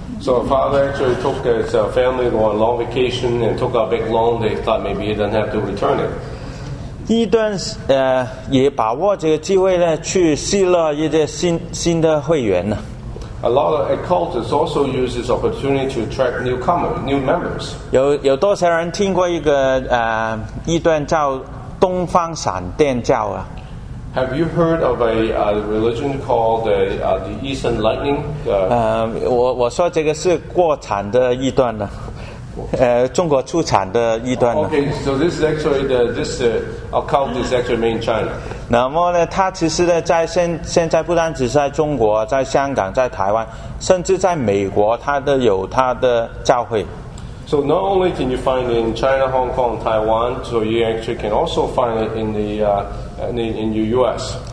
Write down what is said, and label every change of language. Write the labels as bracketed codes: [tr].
[en] So a father actually took his family on a long vacation and took a big loan. They thought maybe he doesn't have to return it. [zh] 一段也把握这个机会呢，去吸了一些新的会员呢。 [en] A lot of occultists also use this opportunity to attract newcomers, new members. [zh] 有多少人听过一个一段叫东方闪电教啊 [en] ？Have you heard of a religion called the Eastern Lightning? [zh] 我说这个是国产的一段呢。中国出产的异端呢 [en] ？Okay, so this is actually occult is actually made in China. [zh] 那么呢，它其实呢，在现在不单只是在中国，在香港、在台湾，甚至在美国，它都有它的教会。 [en] So not only can you find it in China, Hong Kong, Taiwan, so you actually can also find it in the U.S.